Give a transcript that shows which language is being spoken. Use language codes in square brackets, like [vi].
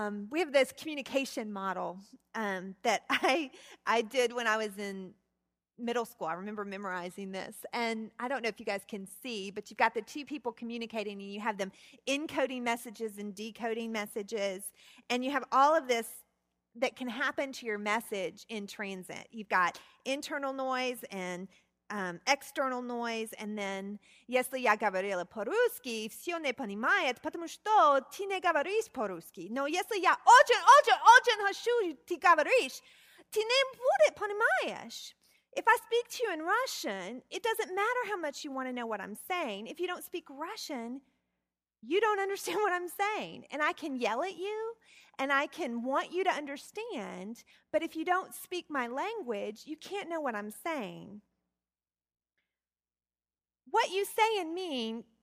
[en] We have this communication model that I did when I was in middle school. I remember memorizing this. And I don't know if you guys can see, but you've got the two people communicating and you have them encoding messages and decoding messages. And you have all of this that can happen to your message in transit. You've got internal noise and external noise. And then, [ru] если я говорила по-русски, все не понимает, потому что ты не говоришь по-русски. Но если я очень хочу, ты говоришь, ты не будешь понимаешь. [en] If I speak to you in Russian, it doesn't matter how much you want to know what I'm saying. If you don't speak Russian, you don't understand what I'm saying. And I can yell at you, and I can want you to understand, but if you don't speak my language, you can't know what I'm saying. What you say and mean